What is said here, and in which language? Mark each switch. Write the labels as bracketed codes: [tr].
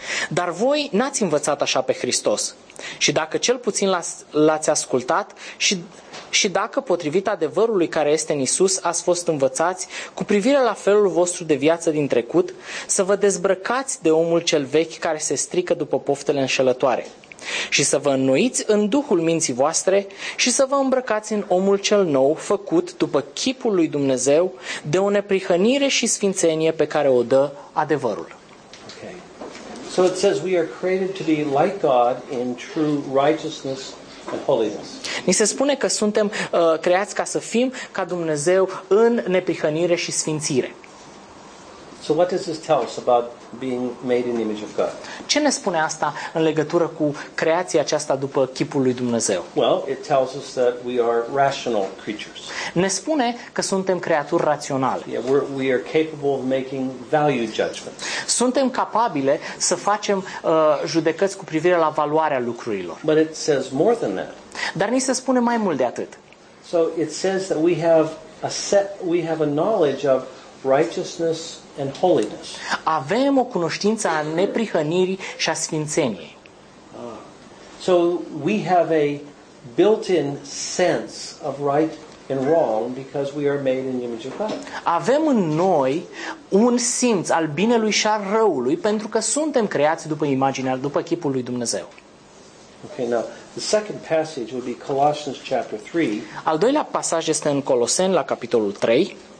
[ro] Dar voi n-ați învățat așa pe Hristos. Și dacă cel puțin l-ați ascultat și dacă potrivit adevărului care este în Iisus ați fost învățați cu privire la felul vostru de viață din trecut, să vă dezbrăcați de omul cel vechi care se strică după poftele înșelătoare și să vă înnoiți în duhul minții voastre și să vă îmbrăcați în omul cel nou făcut după chipul lui Dumnezeu de o neprihănire și sfințenie pe care o dă adevărul. [en] So it says we are created to be like God in true righteousness and holiness. [ro] Ni se spune că suntem creați ca să fim ca Dumnezeu în neprihănire și sfințire. [en] So what does this tell us about being made in the image of God? [ro] Ce ne spune asta în legătură cu creația aceasta după chipul lui Dumnezeu? [en] Well, it tells us that we are rational creatures. [ro] Ne spune că suntem creaturi raționale. [en] Yeah, we are capable of making value judgments. [ro] Suntem capabile să facem judecăți cu privire la valoarea lucrurilor. [en] But it says more than that. [ro] Dar ni se spune mai mult de atât. [en] So it says that we have a knowledge of righteousness and holiness. [ro] Avem o cunoștință a neprihănirii și a sfințeniei. [en] So we have a built-in sense of right and wrong because we are made in the image of God. [ro] Avem în noi un simț al binelui și al răului pentru că suntem creați după imaginea, după chipul lui Dumnezeu. [en] Okay, now the second passage would be Colossians chapter 3. [ro] Al doilea pasaj este în Coloseni la capitolul 3.